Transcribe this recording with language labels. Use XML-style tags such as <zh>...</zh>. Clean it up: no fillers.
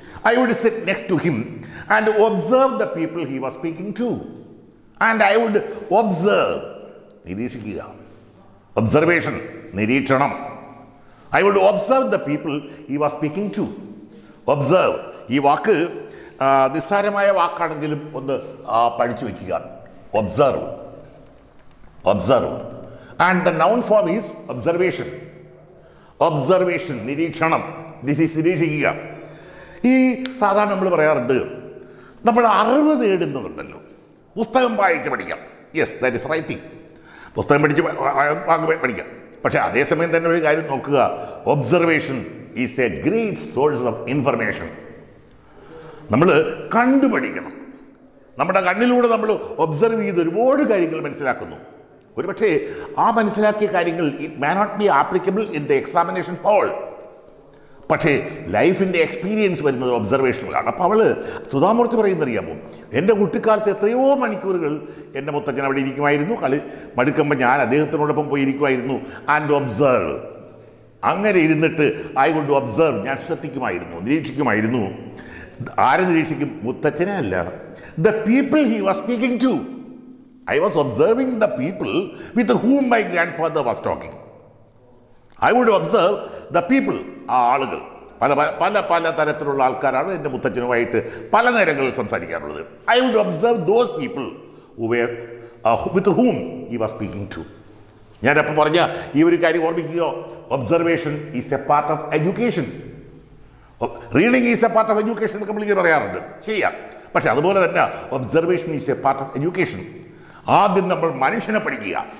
<en>I would sit next to him and observe the people he was speaking to and I would observe,</en> <ml>നിരീക്ഷിക്കുക,</ml> <en>observation,</en> <ml>നിരീക്ഷണം.</ml> <en>I would observe the people he was speaking to, observe.</en> <ml>ഈ വാക്ക് നിസ്സാരമായ വാക്കാണെങ്കിലും ഒന്ന് പഠിച്ചു വയ്ക്കുക, observe, observe.</ml> <en>And the noun form is observation. Observation,</en> <ml>nirikshanam.</ml> <en>This is</en> <ml>nirikshikika. ഈ സാധാരണ നമ്മൾ പറയാറുണ്ട് നമ്മൾ അറിവ് നേടുന്നതുണ്ടല്ലോ പുസ്തകം വായിച്ച് പഠിക്കാം.</ml> <en>yes that is writing,</en> <ml>പുസ്തകം പഠിച്ച് വാങ്ങി പഠിക്കാം. പക്ഷേ അതേസമയം തന്നെ ഒരു കാര്യം നോക്കുക,</ml> <en>Observation is a great source of information.</en> <ml>നമ്മൾ കണ്ടു പഠിക്കണം, നമ്മുടെ കണ്ണിലൂടെ നമ്മൾ ഒബ്സർവ് ചെയ്ത് ഒരുപാട് കാര്യങ്ങൾ മനസ്സിലാക്കുന്നു. ഒരു പക്ഷേ ആ മനസ്സിലാക്കിയ കാര്യങ്ങൾ</ml> <en>it may not be applicable in the examination hall,</en> <ml>പക്ഷേ ലൈഫിൻ്റെ എക്സ്പീരിയൻസ് വരുന്നത് ഒബ്സർവേഷനുകളാണ്. അപ്പോൾ അവൾ സുധാമൂർത്തി പറയുന്നറിയാമോ, എൻ്റെ കുട്ടിക്കാലത്ത് എത്രയോ മണിക്കൂറുകൾ എൻ്റെ മുത്തച്ഛൻ അവിടെ ഇരിക്കുമായിരുന്നു, കളി മടുക്കുമ്പോൾ ഞാൻ അദ്ദേഹത്തിനോടൊപ്പം പോയിരിക്കുമായിരുന്നു</ml> <en>And observe.</en> <ml>അങ്ങനെ ഇരുന്നിട്ട്</ml> <en>I would observe,</en> <ml>ഞാൻ ശ്രദ്ധിക്കുമായിരുന്നു, നിരീക്ഷിക്കുമായിരുന്നു. ആരെ നിരീക്ഷിക്കും? മുത്തച്ഛനെ അല്ല,</ml> <en>The people he was speaking to. I was observing the people with whom my grandfather was talking. I would observe the people,</en> <ml>ആളുകൾ, പല തരത്തിലുള്ള ആൾക്കാരാണ് എൻ്റെ മുത്തച്ഛനുമായിട്ട് പല നേരങ്ങളിൽ സംസാരിക്കാറുള്ളത്.</ml> <en>I would observe those people who were with whom he was speaking to.</en> <ml>ഞാൻ അപ്പോൾ പറഞ്ഞ ഈ ഒരു കാര്യം ഓർമ്മിക്കുക,</ml> <en>observation is a part of education, reading is a part of education</en> <ml>എന്നൊക്കെ നമ്മൾ ഇങ്ങനെ പറയാറുണ്ട്, ചെയ്യാം. പക്ഷെ അതുപോലെ തന്നെ</ml> <en>Observation is a part of education.</en> <ml>ആദ്യം നമ്മൾ മനുഷ്യനെ പഠിക്കുക,</ml>